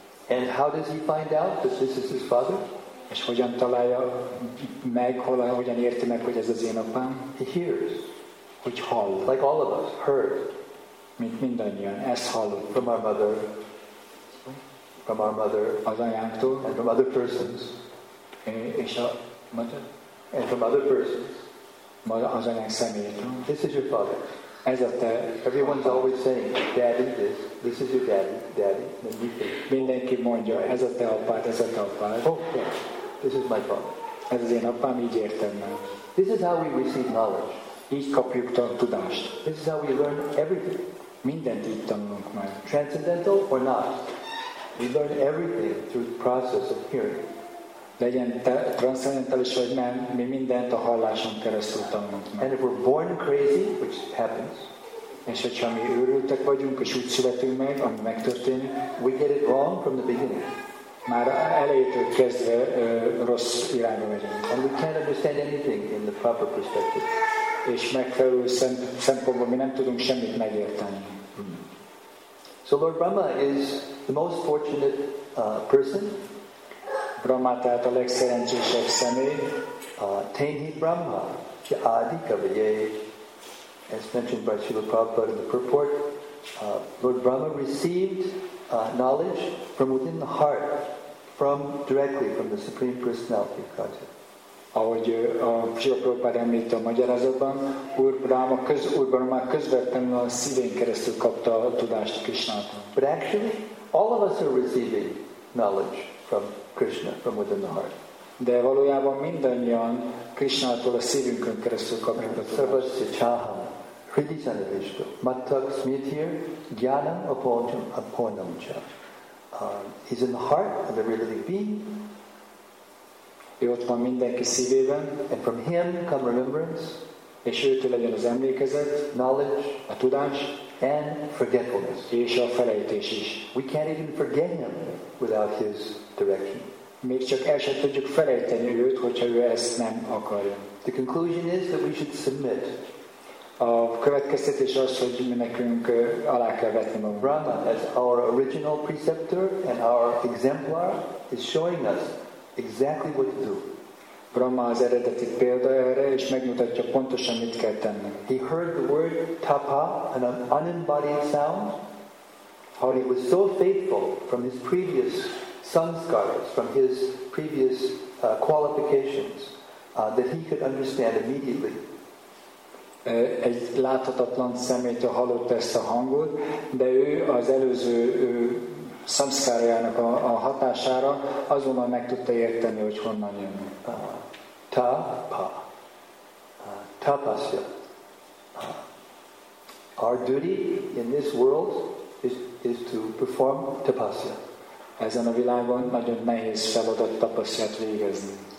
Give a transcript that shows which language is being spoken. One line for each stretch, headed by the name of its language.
English: And how does he find out that this is his father?
Hungarian: És hogyan találja meg, hogyan érti meg, hogy ez az én apám?
English: He hears.
Hungarian: Hogy hall.
English: Like all of us, heard.
Hungarian: Mint mindannyian, ezt hallunk.
English: From our mother.
Hungarian: Az anyánktól.
English: And from other persons.
Hungarian: És a mother?
English: And from other persons.
Hungarian: Az anyánk személyétől.
English: This is your father.
Hungarian: Ez a te.
English: Everyone's always saying, daddy, this is your daddy.
Hungarian: Mindenki mondja, ez a te apád, ez a te apád.
English: Oh, yeah. This is my father.
Hungarian: Ez az én apám, így értem meg.
English: This is how we receive knowledge.
Hungarian: Így kapjuk a tudást.
English: This is how we learn everything.
Hungarian: Mindent így tanulunk meg.
English: Transcendental or not, we learn everything through the process of hearing.
Hungarian: Legyen transzendentális vagy nem, mi mindent a halláson keresztül tanulunk meg.
English: And if we're born crazy, which happens,
Hungarian: és hogyha mi őrültek vagyunk, és úgy születünk meg, ami megtörténik,
English: we get it wrong from the beginning.
Hungarian: Már elejétől kezdve rossz irányba megyünk.
English: And we can't understand anything in the proper perspective.
Hungarian: És megfelelő szempontból mi nem tudunk semmit megérteni.
English: So Lord Brahma is the most fortunate person.
Hungarian: Brahma tehát a legszerencsésebb személy.
Sanskrit: Tehi Brahma, ki adi kavye,
English: as mentioned by Srila Prabhupada in the purport, Lord Brahma received knowledge from within the heart, directly from the Supreme Personality of Godhead.
Hungarian: Ahogy a Srila Prabhupada említ a magyarázatban, Úr Brahma közvetlenül a szívén keresztül kapta a tudást Krishnától.
English: But actually, all of us are receiving knowledge from Krishna, from within the heart.
Hungarian: De valójában mindannyian Krisnától a szívünkön keresztül kapjuk a
Sanskrit: tudást. Hridi Sanyavishtu, Mattak Smithir, Gyanam Apoyam Apoyam Cha.
English: He's in the heart of every living being.
Hungarian: Ő ott van mindenki szívében.
English: And from him come remembrance.
Hungarian: És őtől legyen az emlékezet.
English: Knowledge.
Hungarian: A tudás.
English: And forgetfulness.
Hungarian: És a felejtés is.
English: We can't even forget him without his direction.
Hungarian: Még csak el sem tudjuk felejteni őt, hogyha ő ezt nem akarja.
English: The conclusion is that we should submit.
Hungarian: A következtetés az, hogy mi nekünk alá kell vetni magunkat.
English: Brahma, as our original preceptor and our exemplar, is showing us exactly what to do.
Hungarian: Brahma az eredeti példa erre, és megmutatja pontosan, mit kell tenni.
English: He heard the word tapa, an unembodied sound, how he was so faithful from his previous sanskaras, from his previous qualifications, that he could understand immediately.
Hungarian: Egy láthatatlan szemétől hallott ezt a hangot, de ő az előző szamszkárjának a hatására azonnal meg tudta érteni, hogy honnan jön.
Sanskrit: Tapa. Tapasya.
English: Our duty in this world is to perform tapasya.
Hungarian: Ezen a világon nagyon nehéz feladat tapasyát végezni.